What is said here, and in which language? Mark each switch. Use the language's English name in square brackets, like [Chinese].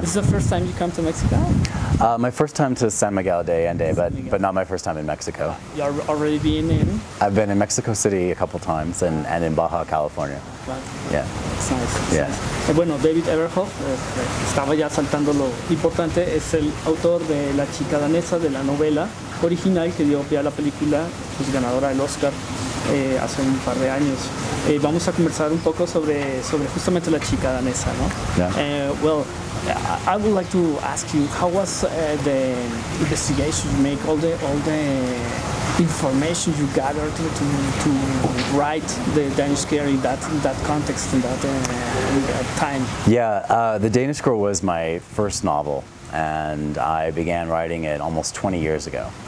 [English] This is the first time you come to Mexico? My first time to San Miguel de Allende, but not my first time in Mexico. You are already being in? I've been in Mexico City a couple times and in Baja, California. Wow. Yeah. Nice. [Spanish] Bueno, David Everholt, estaba ya saltando lo importante, es el autor de La Chica Danesa, de la novela original que dio pie a la película, pues ganadora del Oscar hace un par de años. Vamos a conversar un poco sobre justamente La Chica Danesa, ¿no? Yeah. [English] Well, I would like to ask you, how was the investigation you make, all the information you gathered to write the Danish Girl in that context, in that time? Yeah, The Danish Girl was my first novel, and I began writing it almost 20 years ago.